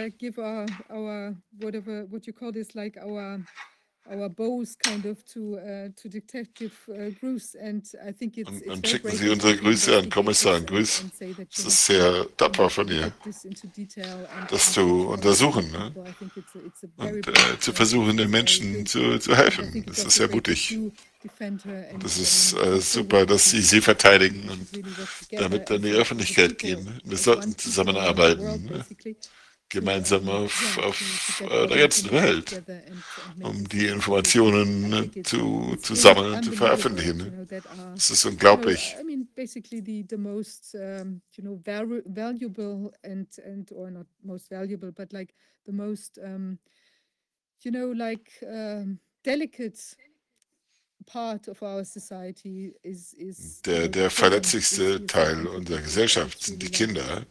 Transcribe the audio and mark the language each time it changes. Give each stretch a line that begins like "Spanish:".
English: Give our whatever what you call this like our bows kind of to Detective Bruce. And I think it's
German: Und dann schicken Sie unsere Grüße an Kommissar Grüß. Das ist sehr tapfer von ihr, das zu untersuchen, ne? Und zu versuchen, den Menschen zu helfen. Das ist sehr mutig. Das ist super, dass Sie sie verteidigen und damit in die Öffentlichkeit gehen. Wir sollten zusammenarbeiten, ne? Gemeinsam auf der ganzen Welt, um die Informationen zu sammeln und zu veröffentlichen. Das ist unglaublich.
English: I mean, basically the most, you know, valuable and or not most valuable, but like the most, you know, like delicate part of our society is
German: der verletzlichste Teil unserer Gesellschaft sind die Kinder.